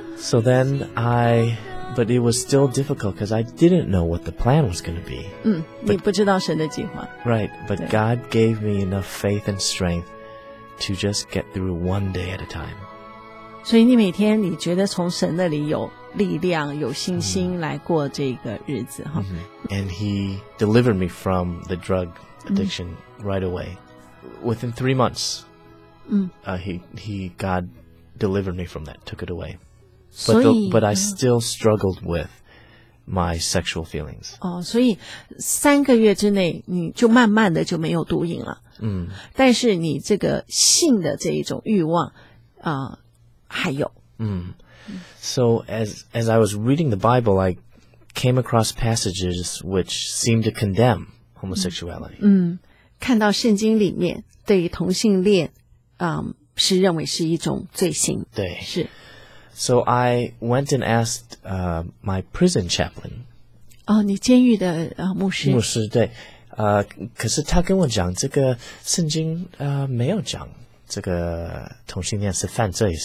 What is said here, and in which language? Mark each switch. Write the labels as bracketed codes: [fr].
[en] So then I, but it was still difficult because I didn't know what the plan was going to be. [zh] 嗯，你不知道神的计划。 [en] Right, but God gave me enough faith and strength to just get through one day at a time. [zh] 所以你每天你觉得从神那里有力量，有信心来过这个日子哈。 [en] And he delivered me from the drug addiction right away. Within 3 months, God delivered me from that, took it away. But I still struggled with my sexual feelings. [zh] 哦，所以三个月之内你就慢慢的就没有毒瘾了。嗯，但是你这个性的这一种欲望啊，还有。 [en] So as I was reading the Bible, I came across passages which seemed to condemn homosexuality. [zh] 嗯，看到圣经里面对于同性恋，是认为是一种罪行。对，是。 [en] So I went and asked my prison chaplain. [zh] 哦，你监狱的牧师。牧师，对。可是他跟我讲，这个圣经没有讲这个同性恋是犯罪。